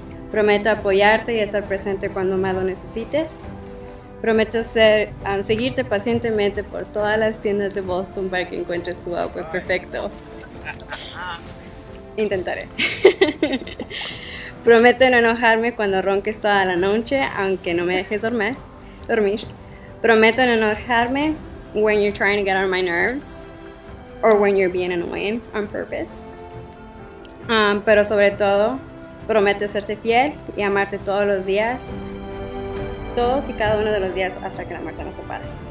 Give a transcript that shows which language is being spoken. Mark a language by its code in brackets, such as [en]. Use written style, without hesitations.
[es] Prometo apoyarte y estar presente cuando más lo necesites. Prometo ser, seguirte pacientemente por todas las tiendas de Boston para que encuentres tu auto perfecto. Intentaré. Prometo no enojarme cuando ronques toda la noche, aunque no me dejes dormir. Prometo no enojarme [en] when you're trying to get on my nerves or when you're being annoying on purpose. [es] Pero sobre todo, prometo serte fiel y amarte todos los días. Todos y cada uno de los días hasta que la muerte nos separe.